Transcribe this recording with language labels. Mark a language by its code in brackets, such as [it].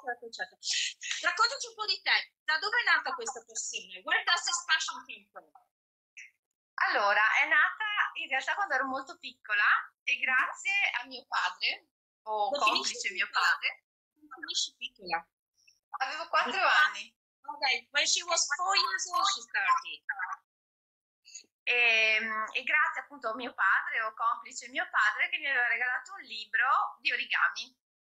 [it] Certo. Raccontaci un po' di te. Da dove è nata questa passione? [en] Where does this passion come from? [it] Allora, è nata in realtà quando ero molto piccola e grazie a mio padre, complice mio padre. Non finisci piccola? Avevo 4 anni. [en] Okay, when she was 4 years old she started. [it] E grazie appunto a mio padre, o complice mio padre, che mi aveva regalato un libro di origami.